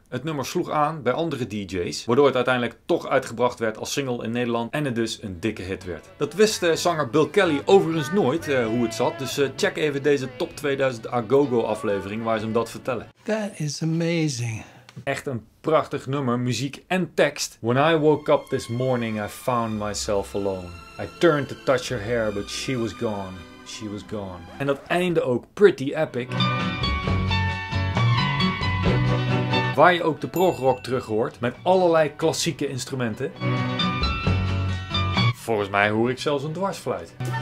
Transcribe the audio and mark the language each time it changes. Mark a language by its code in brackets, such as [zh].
[nl] Het nummer sloeg aan bij andere DJ's, waardoor het uiteindelijk toch uitgebracht werd als single in Nederland en het dus een dikke hit werd. Dat wist zanger Bill Kelly overigens nooit hoe het zat, dus check even deze top 2000 Agogo aflevering waar ze hem dat vertellen. [en] That is amazing. [nl] Echt een prachtig nummer, muziek en tekst. [en] When I woke up this morning, I found myself alone. I turned to touch her hair, but she was gone. She was gone. [nl] En dat einde ook pretty epic. Waar je ook de progrock terug hoort, met allerlei klassieke instrumenten. Volgens mij hoor ik zelfs een dwarsfluit.